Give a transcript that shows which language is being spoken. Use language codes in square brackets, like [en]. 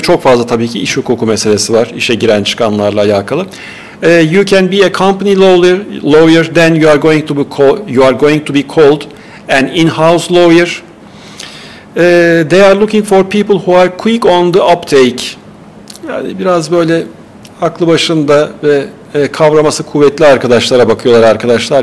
[tr] Çok fazla tabii ki iş hukuku meselesi var, işe giren çıkanlarla alakalı. [en] You can be a company lawyer, then you are going to be called an in-house lawyer. They are looking for people who are quick on the uptake. [tr] Yani biraz böyle aklı başında ve kavraması kuvvetli arkadaşlara bakıyorlar arkadaşlar.